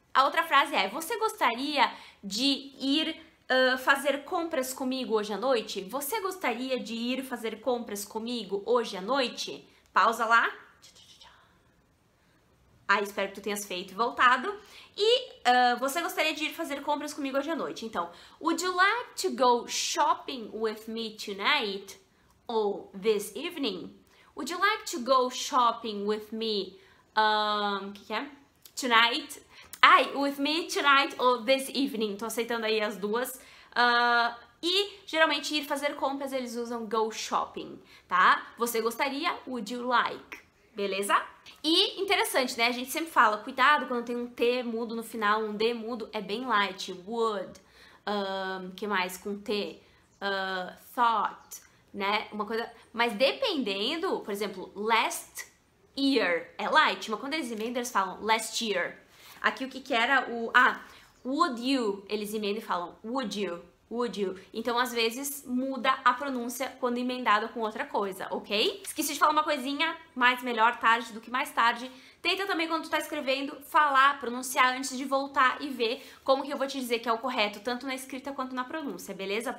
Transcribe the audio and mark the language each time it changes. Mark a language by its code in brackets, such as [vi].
[pt] A outra frase é, você gostaria de ir fazer compras comigo hoje à noite? Você gostaria de ir fazer compras comigo hoje à noite? Pausa lá. Ah, espero que tu tenhas feito e voltado. E você gostaria de ir fazer compras comigo hoje à noite. [en] Então, would you like to go shopping with me tonight or this evening? Would you like to go shopping with me tonight? [pt] Ai, [en] with me tonight or this evening. [pt] Tô aceitando aí as duas. E, geralmente, ir fazer compras, eles usam go shopping, tá? Você gostaria? [en] Would you like? [pt] Beleza? E, interessante, né? A gente sempre fala, cuidado quando tem um T mudo no final, um D mudo, é bem light. Would, que mais com T? Thought, né? Uma coisa... Mas dependendo, por exemplo, [en] last year [pt] é light. Mas quando eles emendam, eles falam [en] last year. [pt] Aqui o que que era o... Ah, [en] would you, [pt] eles emendam e falam would you. [en] Would you? [pt] Então, às vezes, muda a pronúncia quando emendado com outra coisa, ok? Esqueci de falar uma coisinha, mais melhor tarde do que mais tarde. Tenta também, quando tu tá escrevendo, falar, pronunciar antes de voltar e ver como que eu vou te dizer que é o correto, tanto na escrita quanto na pronúncia, beleza?